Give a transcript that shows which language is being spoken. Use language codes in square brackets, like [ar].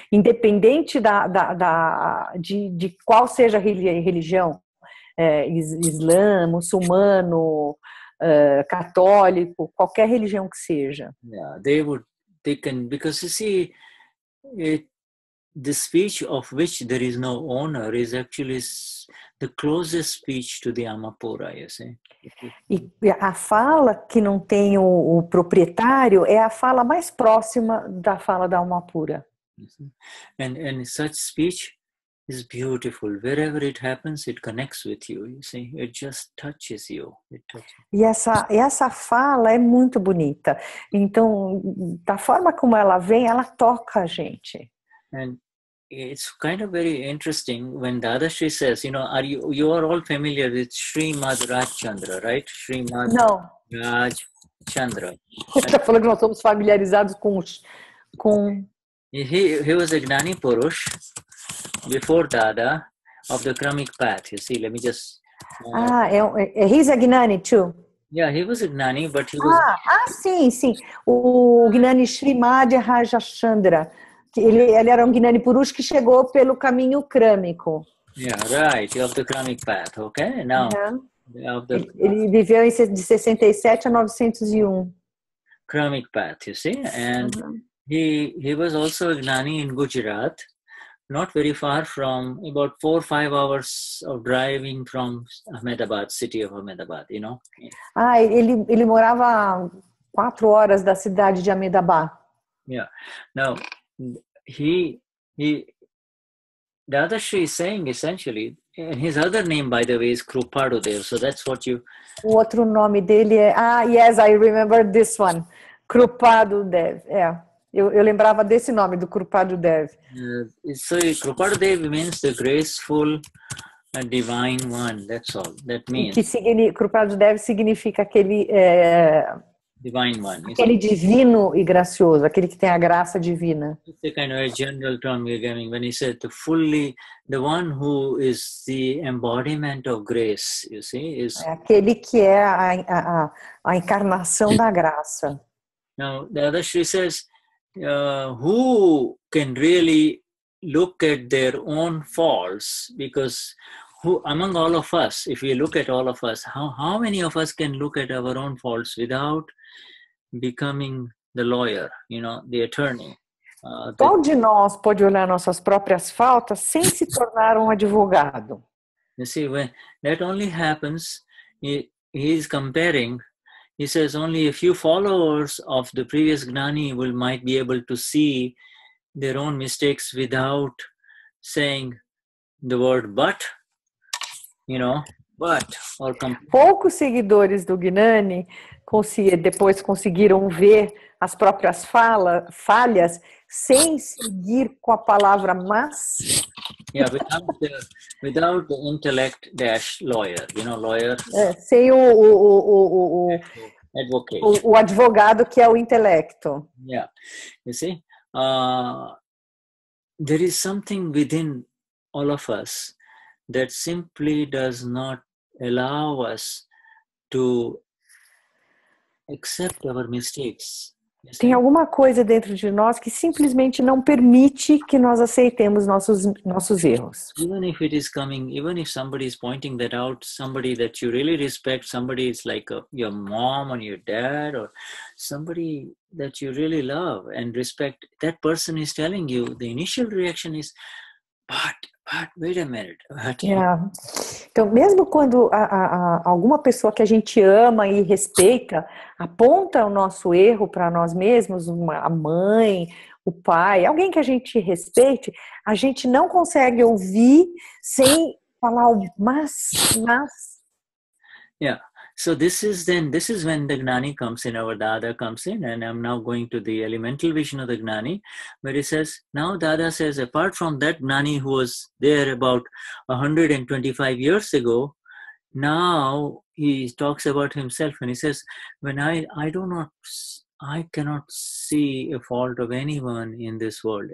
[pt] Independente de qual seja a religião, islã, muçulmano, católico, qualquer religião que seja. [en] Yeah, they would, they can, because you see, it, the speech of which there is no owner is actually the closest speech to the Amapura, you see? [pt] E a fala que não tem o proprietário é a fala mais próxima da fala da Amapura. [en] And such speech is beautiful. Wherever it happens, it connects with you. You see, it just touches you. It touches. [pt] E essa fala é muito bonita. Então, da forma como ela vem, ela toca a gente. [en] And it's kind of very interesting when Dadashri says, you know, are you all familiar with Srimad Rajchandra, right? Srimad Rajchandra. [pt] Você está falando que nós somos familiarizados com [en] He was a Gnani Purush before Dada of the Kramic path. You see, let me just. He's a Gnani too. Yeah, he was a Gnani, but he was. [pt] Sim. O Gnani Srimad Rajachandra. Ele era um Gnani Purush que chegou pelo caminho Kramico. [en] Yeah, right, of the Kramic path. Okay, now. Uh-huh. [pt] Ele viveu de 67 a 901. [en] Kramic path, you see? And. Uh-huh. He was also a Gnani in Gujarat, not very far from, about 4 or 5 hours of driving from Ahmedabad, city of Ahmedabad, you know. [pt] Ah, ele morava 4 horas da cidade de Ahmedabad. [en] Yeah. Now, he Dadashri is saying essentially, and his other name, by the way, is Krupadudev, so that's what you... [pt] O outro nome dele é, [en] yes, I remember this one, Krupadudev, yeah. [pt] Eu lembrava desse nome, do Krupadudev. [en] So, Krupadudev means the graceful and divine one, that's all. That means. [pt] Que Krupadudev significa aquele. [en] Divine one. [pt] Aquele divino e gracioso, aquele que tem a graça divina. [en] It's a kind of a general term you're giving when he said the fully. The one who is the embodiment of grace, you see? Is... [pt] É aquele que é a encarnação da graça. [en] Now, the other she says. Who can really look at their own faults? Because who among all of us, if we look at all of us, how many of us can look at our own faults without becoming the lawyer, you know, the attorney? [pt] Qual de nós pode olhar nossas próprias faltas sem se tornar advogado? [en] You see, when that only happens, he's comparing. He says only a few followers of the previous Gnani might be able to see their own mistakes without saying the word but, you know, but or [pt] Poucos seguidores do Gnani depois conseguiram ver as próprias falhas sem seguir com a palavra mas. [en] Yeah, without the intellect dash lawyer, you know, lawyer. [pt] Sem o [en] advocate. [pt] O advogado que é o intelecto. [en] Yeah. You see? There is something within all of us that simply does not allow us to accept our mistakes. [pt] Tem alguma coisa dentro de nós que simplesmente não permite que nós aceitemos nossos erros. [en] Even if it is coming, even if somebody is pointing that out, somebody that you really respect, somebody is like your mom or your dad or somebody that you really love and respect, that person is telling you, the initial reaction is, but wait a minute. But, yeah. [pt] Então, mesmo quando alguma pessoa que a gente ama e respeita aponta o nosso erro para nós mesmos, a mãe, o pai, alguém que a gente respeite, a gente não consegue ouvir sem falar o mas. [en] Yeah. So this is when the Gnani comes in, our Dada comes in, and I'm now going to the elemental vision of the Gnani, where he says, now Dada says, apart from that Gnani who was there about 125 years ago, now he talks about himself and he says, when I cannot see a fault of anyone in this world.